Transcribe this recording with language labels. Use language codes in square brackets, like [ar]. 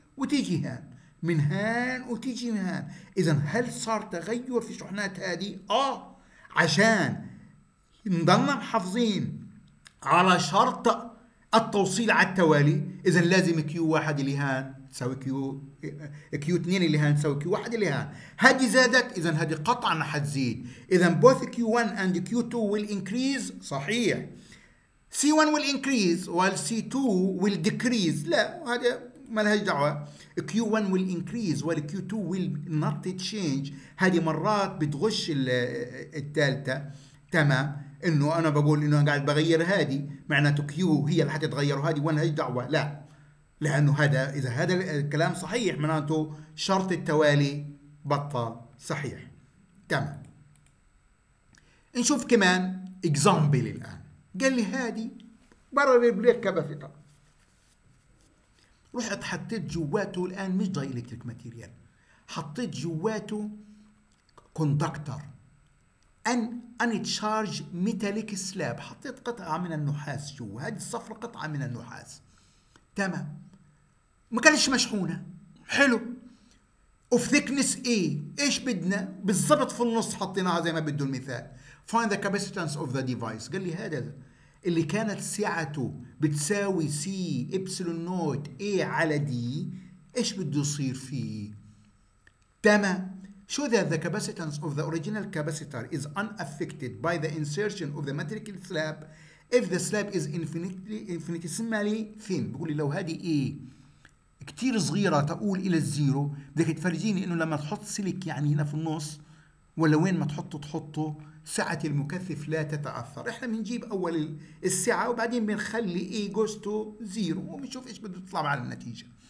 [ar] وتيجي هان، من هان وتيجي من هان. إذا هل صار تغير في شحنات هذه؟ آه، عشان نضلنا محافظين على شرط التوصيل على التوالي. إذا لازم كيو واحد اللي هان تساوي كيو اثنين اللي هان تساوي كيو واحد اللي هان. هذه زادت، إذا هذه قطعا حتزيد. [en] إذا both Q1 and Q2 will increase، صحيح. C1 will increase while C2 will decrease، [ar] لا هذا ما لهاش دعوة. [en] Q1 will increase while Q2 will not change. [ar] هذه مرات بتغش الثالثة، تمام، انه انا بقول انه انا قاعد بغير هذه، معناته Q هي اللي حتتغير وهذه وين لهاش دعوة، لا، لانه هذا اذا هذا الكلام صحيح معناته شرط التوالي بطل صحيح، تمام. نشوف كمان example الان. قال لي هادي برر البليك كبسيطة، رحت حطيت جواته الآن مش داي إلكتريك ماتيريال، حطيت جواته [en] conductor an uncharged metallic slab, [ar] حطيت قطعة من النحاس جوا، هذه الصفرة قطعة من النحاس، تمام، ما كانش مشحونة، حلو، أوف ثيكنس إيه، إيش بدنا بالضبط في النص حطيناها زي ما بده المثال. [en] Find the capacitance of the device. [ar] قال لي هذا اللي كانت سعته بتساوي سي إبسلون نوت اي على دي، ايش بده يصير فيه؟ تمام. شو ذا [en] the capacitance of the original capacitor is unaffected by the insertion of the metallic slab if the slab is infinitesimally thin. [ar] بقول لي لو هذه ايه كتير صغيرة تقول الى الزيرو، بدك تفرجيني انه لما تحط سلك يعني هنا في النص ولا وين ما تحطه سعة المكثف لا تتأثر. احنا بنجيب اول السعة وبعدين بنخلي [en] A goes to zero [ar] وبنشوف ايش بده يطلع على النتيجة.